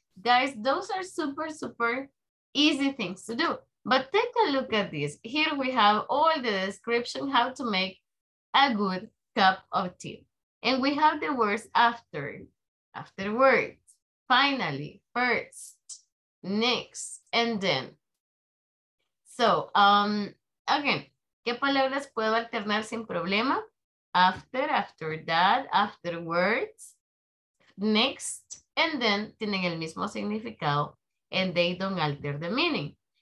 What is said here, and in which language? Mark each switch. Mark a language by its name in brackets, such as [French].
[English] Guys, those are super, super easy things to do. But take a look at this. Here we have all the description, how to make a good cup of tea. And we have the words afterwards, finally, first, next, and then. [Spanish] So, again, ¿qué palabras puedo alternar sin problema? [English] After, after that, afterwards, next, and then [Spanish] tienen el mismo significado [English] and they don't alter the meaning.